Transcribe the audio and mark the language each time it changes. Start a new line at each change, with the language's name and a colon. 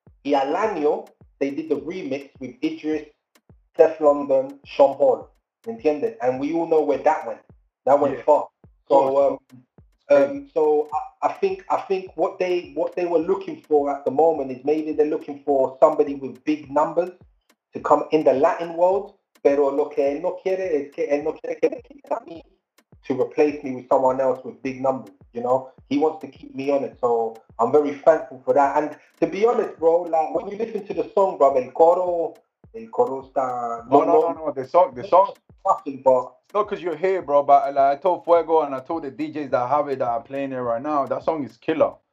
English: Y al año, they did the remix with Idris, Seth London, Sean Paul. ¿Entiendes? And we all know where that went. That went far. So, I think what they were looking for at the moment is maybe they're looking for somebody with big numbers to come in the Latin world.
Spanish: Pero lo que él no quiere es que él no quiere que le quiten a mí.
English: To replace me with someone else with big numbers, you know? He wants to keep me on it, so I'm very thankful for that. And to be honest, bro, like, when you listen to the song, bro, el coro está... No, the song... It's not because you're here, bro, but like, I told Fuego and I told the DJs that I have it, that are playing it right now, that song is killer.